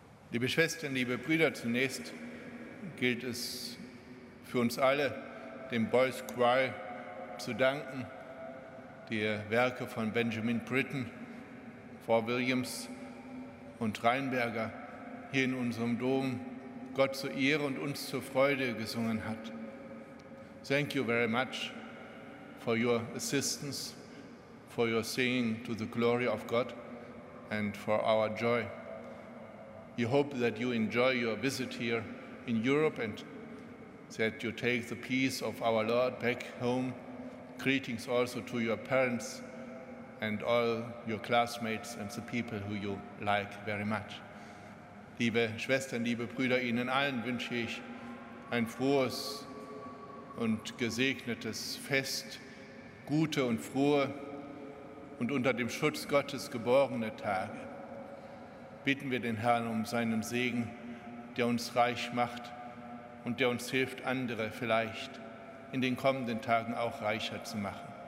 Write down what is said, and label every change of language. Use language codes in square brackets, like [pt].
[de] Liebe Schwestern, liebe Brüder, zunächst gilt es für uns alle, dem Boys Choir zu danken, die Werke von Benjamin Britten, Four Williams und Rheinberger hier in unserem Dom Gott zur Ehre und uns zur Freude gesungen hat. [en] Thank you very much for your assistance, for your singing to the glory of God and for our joy. We hope that you enjoy your visit here in Europe and that you take the peace of our Lord back home. Greetings also to your parents and all your classmates and the people who you like very much. [de] Liebe Schwestern, liebe Brüder, Ihnen allen wünsche ich ein frohes und gesegnetes Fest, gute und frohe und unter dem Schutz Gottes geborene Tage. Bitten wir den Herrn um seinen Segen, der uns reich macht und der uns hilft, andere vielleicht in den kommenden Tagen auch reicher zu machen.